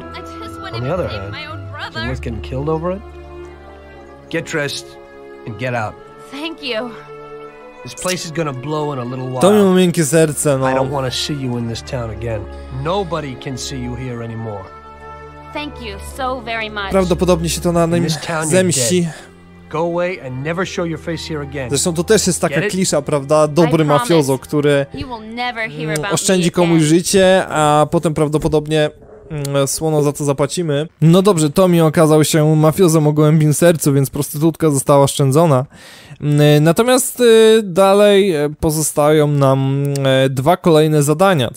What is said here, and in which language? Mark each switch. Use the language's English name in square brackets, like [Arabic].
[English] On the other hand, is it worth getting killed over it? Get dressed and get out. Thank you. This place is gonna blow in a little while. [Polish] To mi miękkie serce, no. [English] I don't want to see you in this town again. Nobody can see you here anymore. Thank you so very much. [Polish] Prawdopodobnie się to na nim zemści. [English] Go away and never show your face here again. [Polish] Zresztą to też jest taka klisza, prawda? Dobry mafiozo, który oszczędzi komuś życie, a potem prawdopodobnie słono za to zapłacimy. No dobrze, Tommy okazał się mafiozem o głębim sercu, więc prostytutka została oszczędzona. Natomiast dalej pozostają nam dwa kolejne zadania.